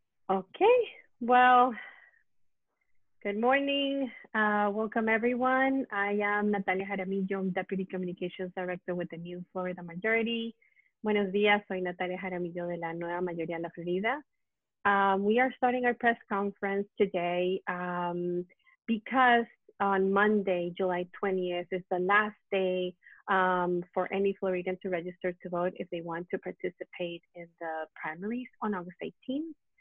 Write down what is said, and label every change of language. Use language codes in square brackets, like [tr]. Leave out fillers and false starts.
[en] Okay, well, good morning. Welcome everyone. I am Natalia Jaramillo, Deputy Communications Director with the New Florida Majority. [es] Buenos días, soy Natalia Jaramillo de la Nueva Mayoría de la Florida. [en] We are starting our press conference today because on Monday, July 20th, is the last day for any Floridian to register to vote if they want to participate in the primaries on August 18th.